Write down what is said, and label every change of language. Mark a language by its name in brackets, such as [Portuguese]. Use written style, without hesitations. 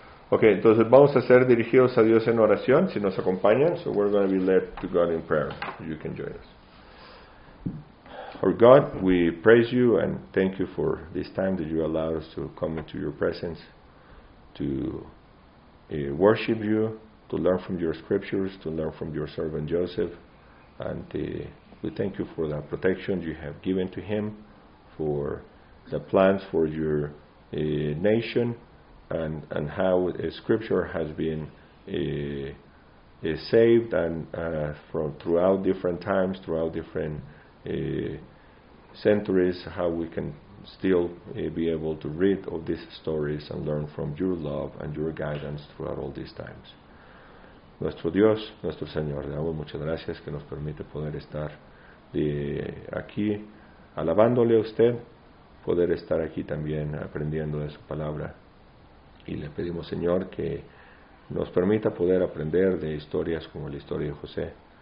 [Spanish] Okay, entonces vamos a ser dirigidos a Dios en oración, si nos acompañan. [English] So we're going to be led to God in prayer. You can join us. Our God, we praise you and thank you for this time that you allowed us to come into your presence, to worship you, to learn from your scriptures, to learn from your servant Joseph. And we thank you for the protection you have given to him, for the plans for your nation, and how scripture has been saved and from throughout different times, throughout different centuries, how we can still be able to read of these stories and learn from your love and your guidance throughout all these times. [Spanish] Nuestro Dios, nuestro Señor, le damos muchas gracias que nos permite poder estar aquí alabándole a usted, poder estar aquí también aprendiendo de su palabra. Y le pedimos, Señor, que nos permita poder aprender de historias como la historia de José.